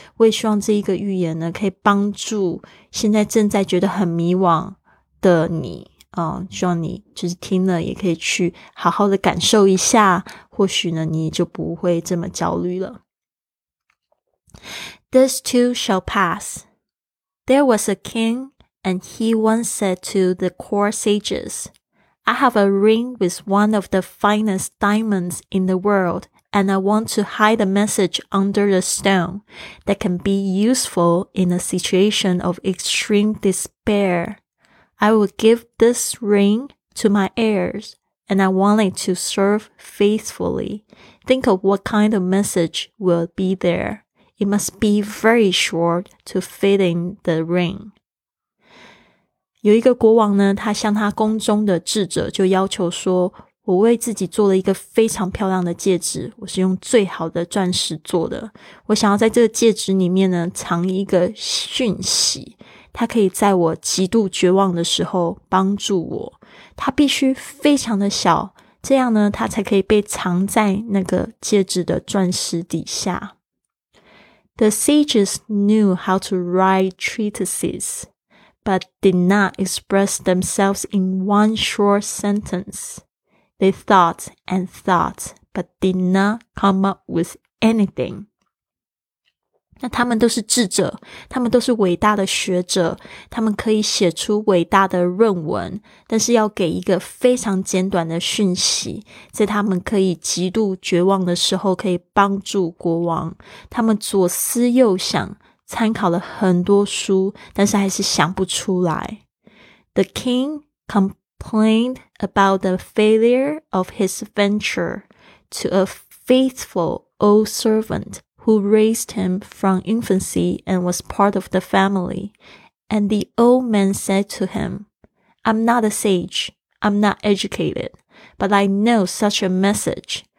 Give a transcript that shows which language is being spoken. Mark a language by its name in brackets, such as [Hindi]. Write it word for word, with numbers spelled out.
[Chinese] 我也希望这一个预言呢可以帮助现在正在觉得很迷惘的你，呃，希望你就是听了也可以去好好的感受一下，或许呢你就不会这么焦虑了。 [English] This too shall pass. There was a king, and he once said to the court sages, I have a ring with one of the finest diamonds in the world, and I want to hide a message under a stone that can be useful in a situation of extreme despair. I will give this ring to my heirs, and I want it to serve faithfully. Think of what kind of message will be there. It must be very short to fit in the ring. [Chinese] 有一个国王呢，他向他宫中的智者就要求说，我为自己做了一个非常漂亮的戒指，我是用最好的钻石做的，我想要在这个戒指里面呢藏一个讯息，它可以在我极度绝望的时候帮助我，它必须非常的小，这样呢它才可以被藏在那个戒指的钻石底下。 [English] The sages knew how to write treatises,but did not express themselves in one short sentence. They thought and thought, but did not come up with anything. [Chinese] 那他们都是智者，他们都是伟大的学者，他们可以写出伟大的论文，但是要给一个非常简短的讯息，在他们可以极度绝望的时候可以帮助国王。他们左思右想，参考了很多书，但是还是想不出来。 [English] The king complained about the failure of his venture to a faithful old servant who raised him from infancy and was part of the family. And the old man said to him, I'm not a sage, I'm not educated, but I know such a message.